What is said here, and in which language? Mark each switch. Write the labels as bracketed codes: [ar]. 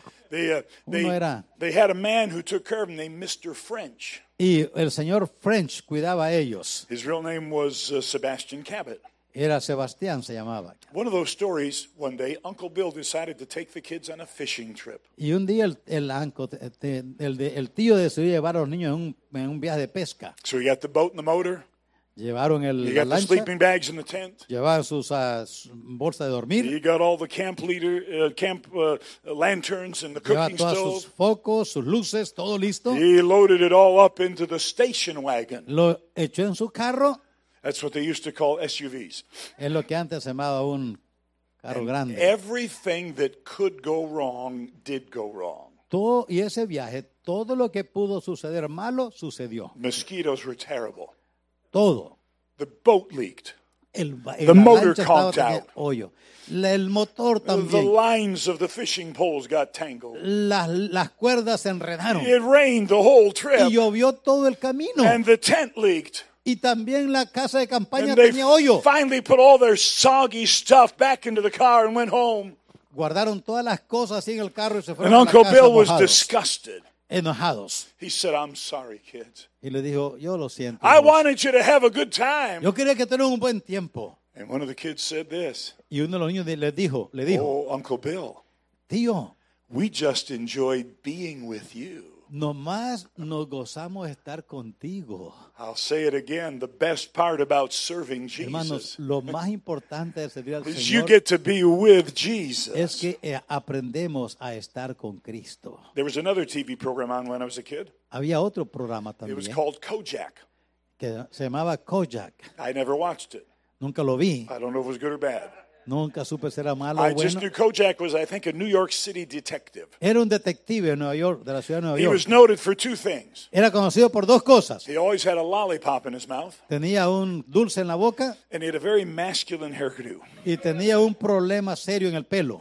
[en] They had a man who took care of them named Mr. French. [es] Y el señor French cuidaba a ellos. [en] His real name was Sebastian Cabot. [es] Era Sebastián, se llamaba. [en] One of those stories, one day, Uncle Bill decided to take the kids on a fishing trip. [es] Y un día el tío decidió llevar a los niños en un viaje de pesca. [en] So he got the boat and the motor. [es] Llevaron el [en] lancha. He got the sleeping bags in the tent. [es] Llevaron sus bolsas de dormir. [en] He got all the camp lanterns and the cooking stove. [es] Llevaron sus focos, sus luces, todo listo. [en] He loaded it all up into the station wagon. [es] Lo echó en su carro. [en] That's what they used to call SUVs. [es] Es lo que antes llamaba un carro grande. [en] Everything that could go wrong did go wrong. [es] Todo y ese viaje, todo lo que pudo suceder malo sucedió. [en] Mosquitoes were terrible. [es] Todo. [en] The boat leaked. The motor conked out. [es] El motor también. [en] The lines of the fishing poles got tangled. [es] Las cuerdas se enredaron. [en] It rained the whole trip. [es] Y llovió todo el camino. [en] And the tent leaked. [es] Y también la casa de campaña tenía hoyo. [en] Finally put all their soggy stuff back into the car and went home. [es] Guardaron todas las cosas en el carro y se fueron a la casa. [en] And Uncle Bill was disgusted. [es] Enojados. [en] He said, "I'm sorry, kids." [es] Y le dijo, "Yo lo siento." [en] I wanted you to have a good time. [es] Yo quería que tuvieran un buen tiempo. [en] And one of the kids said this. [es] Y uno de los niños le dijo, [en] "Oh, Uncle Bill." [es] Tío, [en] "We just enjoyed being with you." [es] Nomás nos gozamos estar contigo. [en] I'll say it again, the best part about serving Jesus. [es] Hermanos, lo más importante de servir al Señor [en] is you get to be with Jesus. [es] Es que aprendemos a estar con Cristo. [en] There was another TV program on when I was a kid. [es] Había otro programa también. [en] It was called Kojak. [es] Que se llamaba Kojak. [en] I never watched it. [es] Nunca lo vi. [en] I don't know if it was good or bad. [es] Nunca supe si era malo o bueno. [en] I just knew Kojak was, I think, a New York City detective. [es] Era un detective en Nueva York, de la ciudad de Nueva York. [en] He was noted for two things. [es] Era conocido por dos cosas. [en] He always had a lollipop in his mouth. [es] Tenía un dulce en la boca. [en] And he had a very masculine hairdo. [es] Y tenía un problema serio en el pelo.